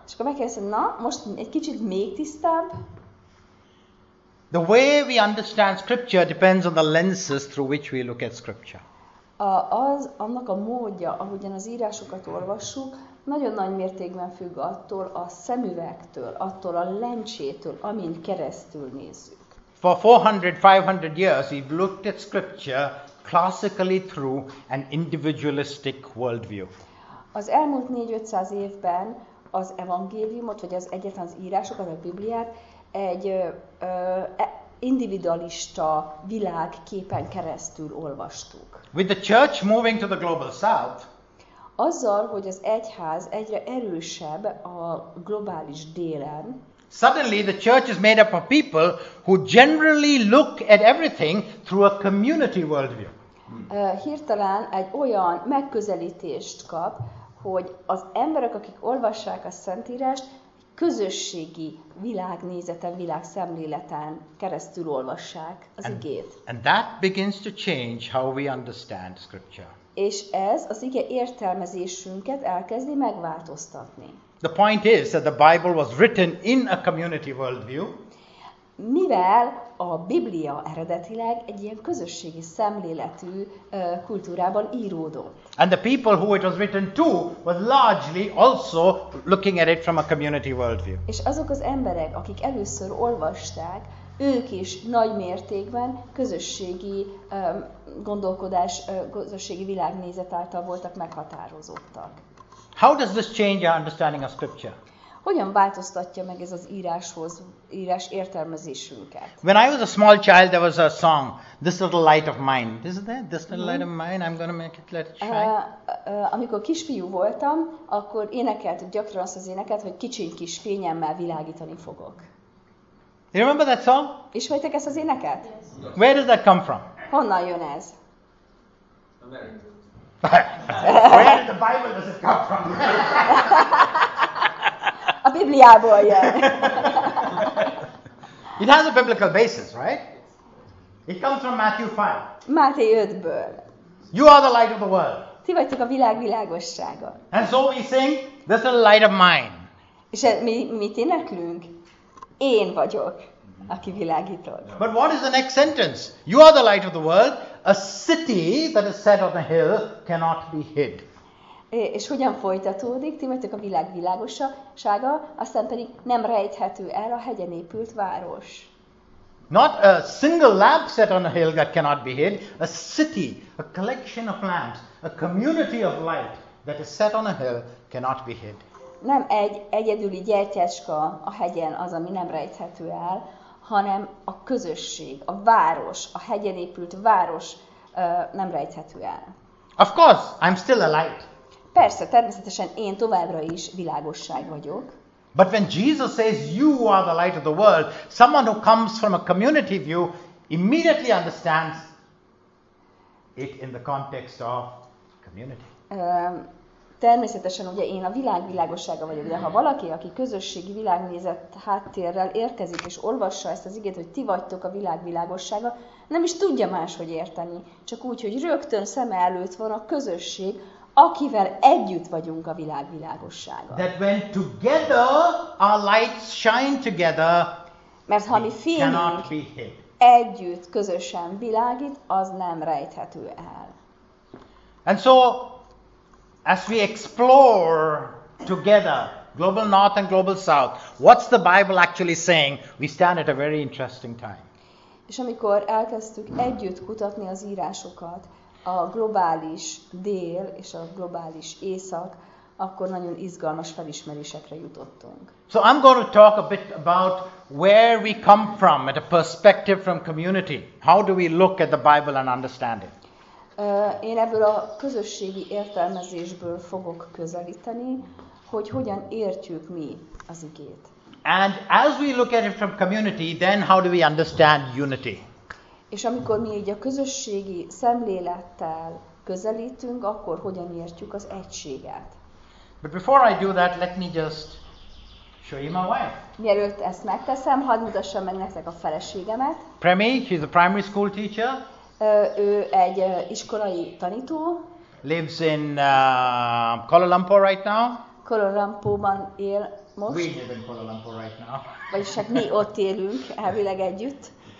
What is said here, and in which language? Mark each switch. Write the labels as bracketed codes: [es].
[hu] És akkor megkérdezte, na, most egy kicsit még tisztább? [en] The way we understand scripture depends on the lenses through which we look at scripture. [hu] Annak a módja, ahogyan az írásokat olvassuk, nagyon nagy mértékben függ attól a szemüvegtől, attól a lencsétől, amin keresztül nézzük. [en] For 400-500 years we've looked at scripture classically through an individualistic worldview. [hu] Az elmúlt 400-500 évben az evangéliumot, vagy az egyetlen az írásokat, a Bibliát egy individualista világképen keresztül olvastuk. [en] With the church moving to the global south, [hu] azzal, hogy az egyház egyre erősebb a globális délen, [en] suddenly the church is made up of people who generally look at everything through a community worldview. [hu] Hirtelen egy olyan megközelítést kap, hogy az emberek, akik olvassák a Szentírást, közösségi világnézeten, világszemléleten keresztül olvassák az igét. [en] And that begins to change how we understand scripture. [hu] És ez az ige értelmezésünket elkezdi megváltoztatni. [en] The point is that the Bible was written in a community worldview. [hu] Mivel a Biblia eredetileg egy ilyen közösségi szemléletű kultúrában íródott. [en] And the people who it was written to were largely also looking at it from a community worldview. [hu] És azok az emberek, akik először olvasták, ők is nagy mértékben közösségi gondolkodás, közösségi világnézet által voltak meghatározottak. [en] How does this change our understanding of scripture? [hu] Hogyan változtatja meg ez az íráshoz, írás értelmezésünket? [en] When I was a small child, there was a song this little light of mine, isn't that this little light of mine? I'm gonna make it, let it shine. [hu] Amikor kisfiú voltam, akkor énekeltük gyakran azt az éneket, hogy kicsiny kis fényemmel világítani fogok. [en] You remember that song? [hu] Ismertek ezt az éneket? [en] Yes. Where does that come from? [hu] Honnan jön ez? [en] Where did the Bible does it come from? [hu] A Bibliából jön. [en] It has a biblical basis, right? It comes from Matthew 5. [hu] Máté 5-ből. [en] You are the light of the world. [hu] Ti vagytok a világ világossága. [en] And so we sing, this is the light of mine. [hu] És mit éneklünk? Én vagyok, aki világítod. [en] But what is the next sentence? You are the light of the world. A city that is set on a hill cannot be hid. [hu] És hogyan folytatódik? Ti vagytok a világ világossága, aztán pedig nem rejthető el a hegyen épült város. [en] Not a single lamp set on a hill that cannot be hid. A city, a collection of lamps, a community of light that is set on a hill cannot be hid. [hu] Nem egy egyedüli gyertyácska a hegyen az, ami nem rejthető el, hanem a közösség, a város, a hegyen épült város nem rejthető el. [en] Of course, I'm still a light. [hu] Persze, természetesen én továbbra is világosság vagyok. [en] But when Jesus says you are the light of the world, someone who comes from a community view immediately understands it in the context of community. [hu] Természetesen ugye én a világ világossága vagyok, de ha valaki, aki közösségi világnézet háttérrel érkezik és olvassa ezt az igét, hogy ti vagytok a világ világossága, nem is tudja máshogy érteni. Csak úgy, hogy rögtön szeme előtt van a közösség, akivel együtt vagyunk a világ világossága. [en] That when together our lights shine together, [hu] mert ha mi fényünk együtt, közösen világít, az nem rejthető el. [en] And so, as we explore together, Global North and Global South, what's the Bible actually saying? We stand at a very interesting time. [hu] És amikor elkezdtük együtt kutatni az írásokat, a globális dél és a globális észak, akkor nagyon izgalmas felismerésekre jutottunk. [en] So I'm going to talk a bit about where we come from at a perspective from community. How do we look at the Bible and understand it? [hu] Én ebből a közösségi értelmezésből fogok közelíteni, hogy hogyan értjük mi az igét. [en] And as we look at it from community, then how do we understand unity? [hu] És amikor mi így a közösségi szemlélettel közelítünk, akkor hogyan értjük az egységet? [en] But before I do that, let me just show you my wife. [hu] Mielőtt ezt megteszem, hadd mutassam meg nektek a feleségemet. [en] Premi, she's a primary school teacher. [hu] Ő egy iskolai tanító. [en] Lives in Kuala Lumpur right now. [hu] Kuala Lumpurban él most. [en] We live in Kuala Lumpur right now. [hu] Vagyis hát mi ott élünk, elvileg együtt.